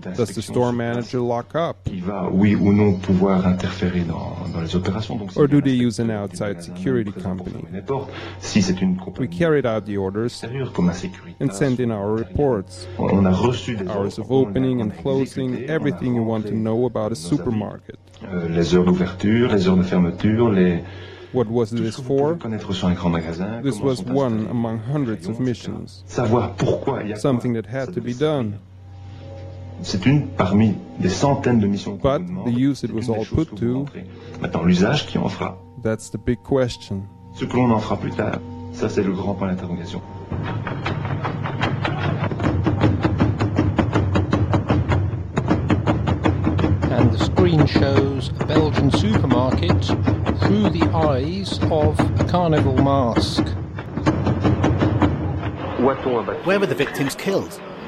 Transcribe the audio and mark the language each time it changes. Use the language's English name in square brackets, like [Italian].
[English] Does the store manager lock up? Or do they use an outside security company? We carried out the orders and sent in our reports. Hours of opening and closing, everything you want to know about a supermarket. [French] Les heures d'ouverture, les heures de fermeture, les... [English] What was this for? This was one among hundreds of missions. [French] Savoir pourquoi il y a [English] something that had to be done. [French] C'est une parmi des centaines de missions. [English] But the use it was all put to. [French] Maintenant, l'usage qui en fera. [English] That's the big question. [French] Ce que l'on en fera plus tard, ça c'est le grand point d'interrogation. [English] And the screen shows a Belgian supermarket through the eyes of a carnival mask. Where were the victims killed?